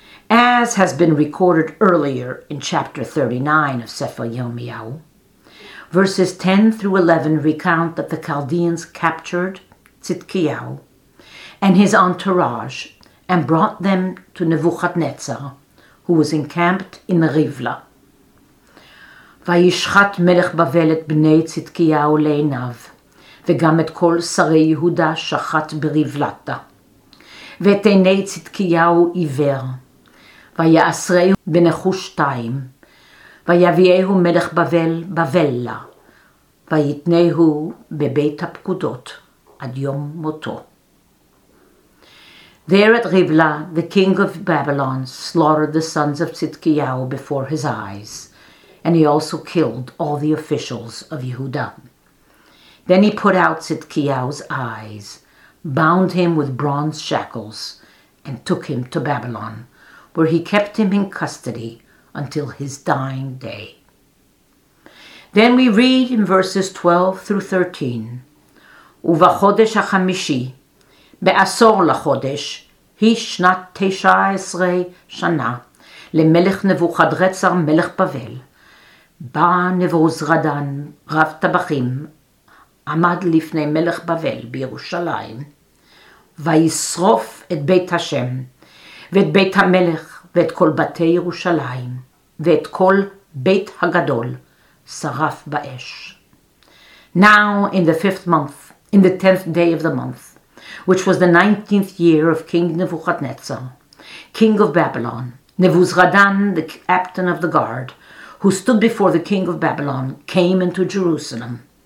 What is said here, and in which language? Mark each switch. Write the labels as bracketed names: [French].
[English] As has been recorded earlier in chapter 39 of Sefer Yirmiyahu, verses 10 through 11 recount that the Chaldeans captured Tzidkiyahu and his entourage and brought them to Nebuchadnezzar, who was encamped in Rivla. [Hebrew] Vayishchat melech bavel et bnei Tzidkiyahu leinav, וגם את כל שרי יהודה שחט ברבלתה. ואת עיני צדקיהו עיוור. ויעשרהו בנחוש שתיים, ויביאהו מלך בבל בבלה, ויתנהו בבית הפקודות עד יום מותו. [English] There at Riblah, the king of Babylon slaughtered the sons of Zedekiah before his eyes, and he also killed all the officials of Judah. Then he put out Zedekiah's eyes, bound him with bronze shackles, and took him to Babylon, where he kept him in custody until his dying day. Then we read in verses 12 through 13, [Hebrew] ובחודש החמישי, בעשור לחודש, היא שנת 19 שנה, למלך נבוכדרצר מלך בבל, בא נבוזרדן רב טבחים, עמד לפני מלך בבל בירושלים, וישרוף את בית השם, ואת בית המלך, ואת כל בתי ירושלים, ואת כל בית הגדול, שרף באש. [English] Now, in the fifth month, in the tenth day of the month, which was the 19th year of King Nebuchadnezzar, king of Babylon, Nebuzradan, the captain of the guard, who stood before the king of Babylon, came into Jerusalem.